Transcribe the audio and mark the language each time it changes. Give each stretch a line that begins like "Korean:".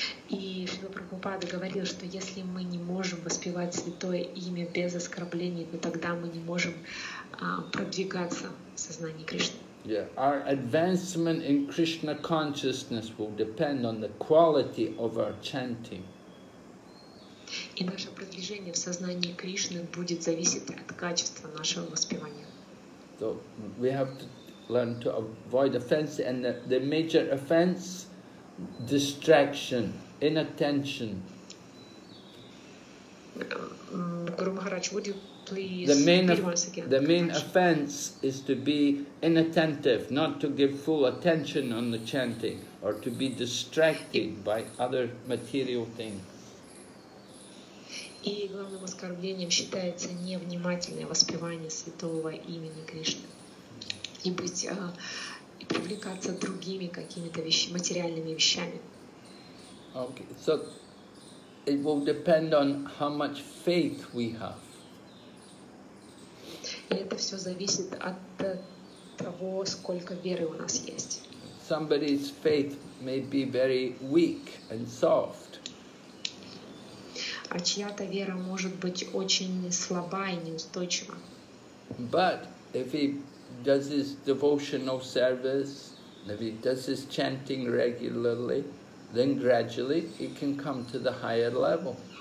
Russian: И Шрила Прабхупада говорил, что если мы не можем воспевать святое имя без оскорблений, то тогда мы не можем продвигаться в сознании Кришны.
English: Yeah. Our advancement in Krishna consciousness will depend on the quality of our chanting.
Russian: И наше продвижение в сознании Кришны будет зависеть от качества нашего воспевания.
English: So we have to learn to avoid offense, and the major offense, distraction. Inattention. Guru Maharaj, would you please The main offense is to be inattentive, not to give full attention on the chanting, or to be distracted by other material things.
Russian: И главным оскорблением считается невнимательное воспевание святого имени Кришны и быть и привлекаться другими какими-то вещами, материальными вещами.
English: Okay, so it will depend on how much faith we have.
Russian: Это все зависит от того, сколько веры у нас есть.
English: Somebody's faith may be very weak and soft.
Russian: А чья-то вера может быть очень слаба и неустойчива.
English: But if he does his devotional service, if he does his chanting regularly, then gradually he can come to the higher level.